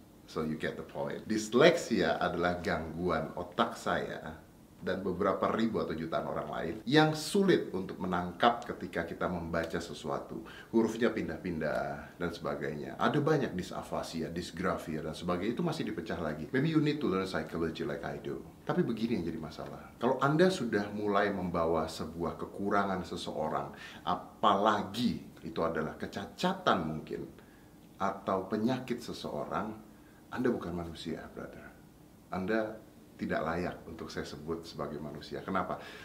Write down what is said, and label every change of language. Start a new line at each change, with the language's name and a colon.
English: So you get the point.
Indonesian: Disleksia adalah gangguan otak saya dan beberapa ribu atau jutaan orang lain yang sulit untuk menangkap ketika kita membaca sesuatu. Hurufnya pindah-pindah dan sebagainya. Ada banyak disafasia, disgrafia dan sebagainya, itu masih dipecah lagi.
English: Maybe you need to learn psychology like I do.
Indonesian: Tapi begini yang jadi masalah. Kalau Anda sudah mulai membawa sebuah kekurangan seseorang, apalagi itu adalah kecacatan mungkin atau penyakit seseorang, Anda bukan manusia, brother. Anda tidak layak untuk saya sebut sebagai manusia. Kenapa?